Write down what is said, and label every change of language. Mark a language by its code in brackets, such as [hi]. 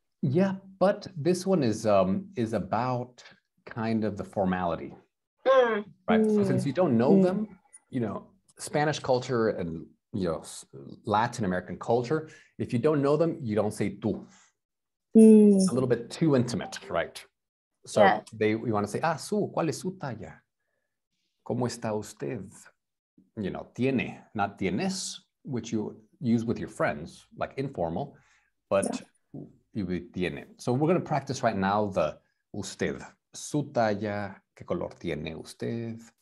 [en] Yeah, but this one is about kind of the formality, right? Mm. So since you don't know them, you know, Spanish culture and, you know, Latin American culture, if you don't know them, you don't say tú. It's a little bit too intimate, right? So yeah. [es] We want to say, su, ¿cuál es su talla? ¿Cómo está usted? [en] You know, tiene, not tienes, which you use with your friends, like informal, but yeah. Tiene. So we're going to practice right now the usted. [es] Su talla, ¿qué color tiene usted?